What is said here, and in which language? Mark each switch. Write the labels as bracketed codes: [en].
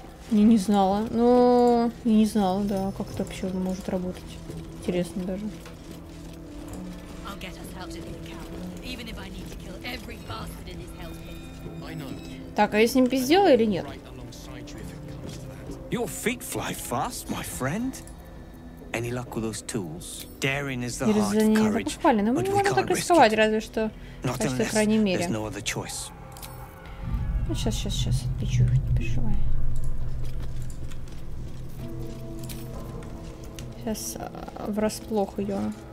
[ru] Я не знала. Ну, я не знала, да, как это вообще может работать. Интересно даже. Так, а я с ним пиздела или нет? [en] Your feet fly fast, my friend. Any luck with those tools? Daring is the heart of courage. [ru] покупали, но мы не можем так рисковать, разве что. [en] Not unless there's no other choice. [ru] Ну, сейчас, отвечу, не переживай. Сейчас врасплох ее.